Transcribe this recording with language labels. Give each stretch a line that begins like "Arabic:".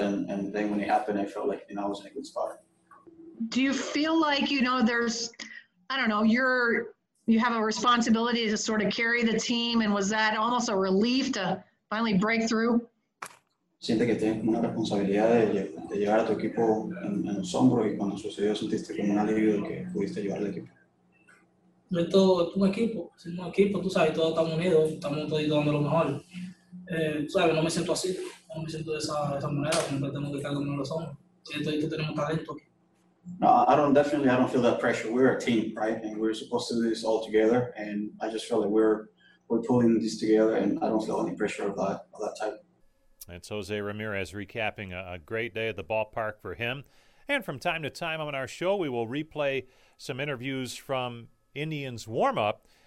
English: And then when it happened, I felt like, you know, I was in a good spot. Do you feel like, you know, there's, I don't know, you have a responsibility to sort of carry the team? And was that almost a relief to finally break through?
Spanish: Siente que tienes una responsabilidad de llevar a tu equipo en los hombros y cuando sucedió sentiste como un alivio de que pudiste llevar al equipo. Esto es un equipo, tú sabes, todos estamos unidos, estamos todos dando lo mejor. Sabes, no me siento así, no me siento de esa manera, siempre tengo que estar con los hombros. Siento que tenemos talento.
English: No, I don't feel that pressure. We're a team, right? And we're supposed to do this all together. And I just feel like we're pulling this together and I don't feel any pressure of that type. That's Jose Ramirez recapping a great day at the ballpark for him. And from time to time on our show, we will replay some interviews from Indians warm-up.